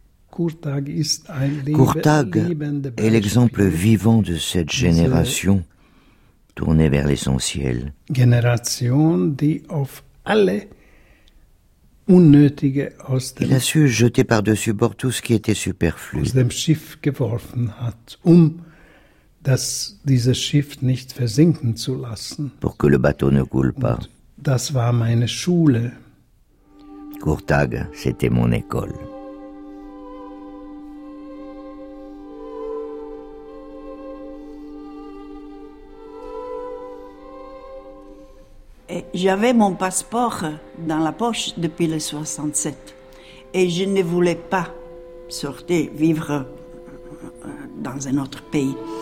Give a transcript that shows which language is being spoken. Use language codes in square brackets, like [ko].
[fr] Courtag est l'exemple vivant de cette génération tournée vers l'essentiel. Génération qui, [de] auf alle Unnötige aus dem, [fr] il a su jeter par-dessus bord tout ce qui était superflu. [de] Aus dem Schiff geworfen hat, um das, dieses Schiff nicht versinken zu lassen. [fr] Pour que le bateau ne coule pas. [de] Und das war meine Schule. [fr] Courtag, c'était mon école. J'avais mon passeport dans la poche depuis le 67 et je ne voulais pas sortir, vivre dans un autre pays.